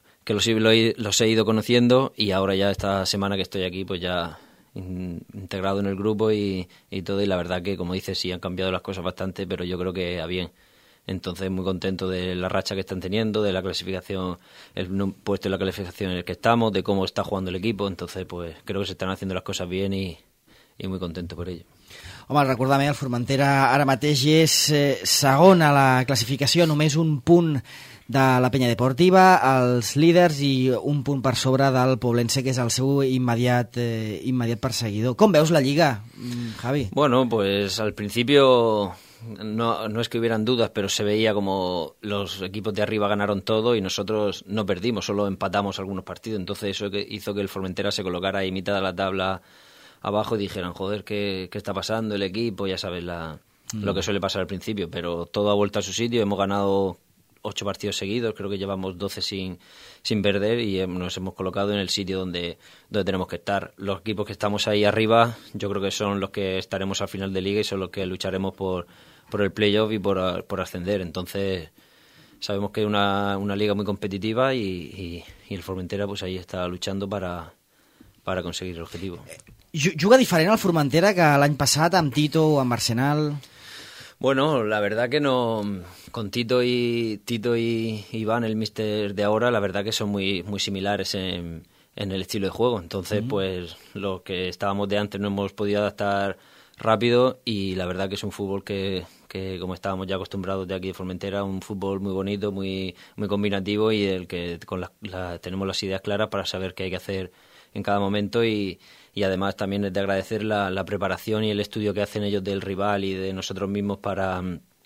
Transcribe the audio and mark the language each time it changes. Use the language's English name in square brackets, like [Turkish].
[Spanish] que los he ido conociendo, y ahora ya esta semana que estoy aquí, pues ya integrado en el grupo y todo, y la verdad que, como dices, sí han cambiado las cosas bastante, pero yo creo que a bien. Entonces muy contento de la racha que están teniendo, de la clasificación, el puesto en la clasificación en el que estamos, de cómo está jugando el equipo. Entonces pues creo que se están haciendo las cosas bien y muy contento por ello. [Catalan] Home, recordar-me, el Formentera ara mateix és segon a la classificació, només un punt de la Penya Deportiva, els líders, i un punt per sobre del Poblense, que és el seu immediat perseguidor. Com veus la Lliga, Javi? [Spanish] Bueno, pues al principio no es que hubieran dudas, pero se veía como los equipos de arriba ganaron todo y nosotros no perdimos, solo empatamos algunos partidos. Entonces eso hizo que el Formentera se colocara ahí mitad de la tabla abajo y dijeran, joder, ¿qué está pasando el equipo? Ya sabes lo que suele pasar al principio, pero todo ha vuelto a su sitio. Hemos ganado 8 partidos seguidos, creo que llevamos 12 sin perder y nos hemos colocado en el sitio donde tenemos que estar. Los equipos que estamos ahí arriba, yo creo que son los que estaremos al final de liga y son los que lucharemos por el playoff y por ascender. Entonces sabemos que es una liga muy competitiva y el Formentera pues ahí está luchando para conseguir el objetivo. [Catalan] ¿Juga diferent el Formentera que l'any passat amb Tito o amb Arsenal? [Spanish] Bueno, la verdad que no. Con Tito y Iván, el míster de ahora, la verdad que son muy, muy similares en el estilo de juego. Entonces, pues lo que estábamos de antes no hemos podido adaptar rápido y la verdad que es un fútbol que como estábamos ya acostumbrados de aquí de Formentera, un fútbol muy bonito, muy, muy combinativo y el que tenemos las ideas claras para saber qué hay que hacer en cada momento y además también es de agradecer la preparación y el estudio que hacen ellos del rival y de nosotros mismos para